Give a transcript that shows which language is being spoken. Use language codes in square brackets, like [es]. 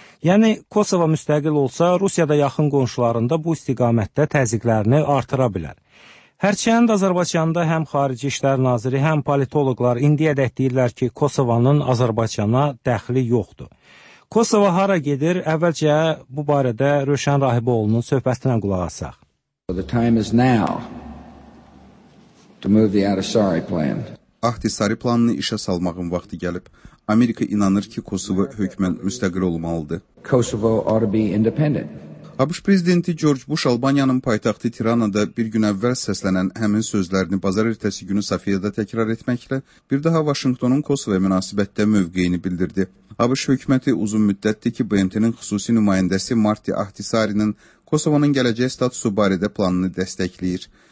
[az] Yəni, Kosova müstəqil olsa, Rusiyada yaxın qonşularında bu istiqamətdə təzyiqlərini artıra bilər. Hərçənd Azərbaycanda həm Xarici İşlər Naziri, həm politoloqlar indiyə dək deyirlər ki, Kosovanın Azərbaycana dəxli yoxdur. Kosova hara gedir? Əvvəlcə bu barədə Rövşən Rahiboğlunun söhbətinə qulaq asaq. [en] The time is now to move the Ahtisaari plan. [az] Ahtisaari planını işə salmağın vaxtı gəlib. Amerika inanır ki, Kosova hökmən müstəqil olmalıdır. [en] Kosovo ought to be independent. [az] ABŞ prezidenti George Bush Albaniyanın paytaxtı Tirana'da bir gün əvvəl səslənən həmin sözlərini bazar ertəsi günü Safiyada təkrar etməklə bir daha Vaşinqtonun Kosova münasibətdə mövqeyini bildirdi. ABŞ hökuməti uzun müddətdir ki, BMT-nin xüsusi nümayəndəsi Marti Ahtisarinin Kosovanın gələcək statusu barədə planını dəstəkləyir.